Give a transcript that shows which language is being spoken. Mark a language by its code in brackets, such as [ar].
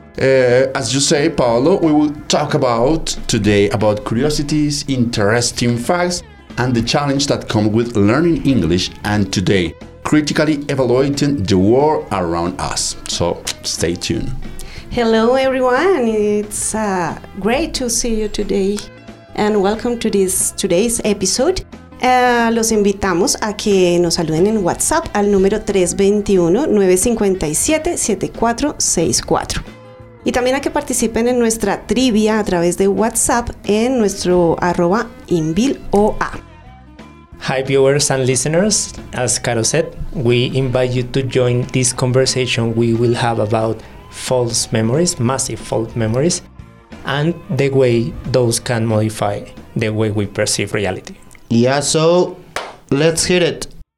[en] As you say, Paolo, we will talk about today about curiosities, interesting facts, and the challenge that comes with learning English and today, critically evaluating the world around us. So stay tuned. Hello everyone, it's great to see you today and welcome to today's episode. [es] Los invitamos a que nos saluden en WhatsApp al número 321-957-7464. Y también a que participen en nuestra trivia a través de WhatsApp en nuestro arroba inbilloa. [en] Hi viewers and listeners, as Caro said, we invite you to join this conversation we will have about false memories, massive false memories, and the way those can modify the way we perceive reality. Yeah, so let's hear it.